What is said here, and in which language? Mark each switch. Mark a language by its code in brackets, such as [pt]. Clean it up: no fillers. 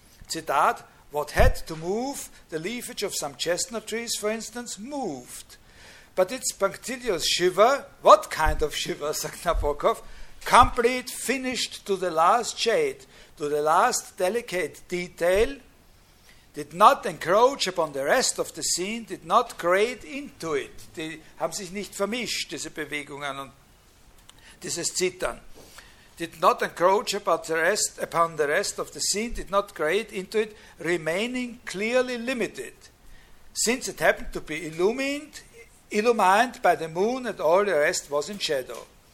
[de] Zitat, [en] what had to move, the leafage of some chestnut trees, for instance, moved. But its punctilious shiver, what kind of shiver, [de] sagt Nabokov, [en] complete, finished to the last shade, to the last delicate detail, did not encroach upon the rest of the scene, did not grade into it. [de] Die haben sich nicht vermischt, diese Bewegungen und dieses Zittern. [en] Did not encroach upon the rest of the scene, did not grade into it, remaining clearly limited. Since it happened to be illumined by the moon and all the rest was in shadow.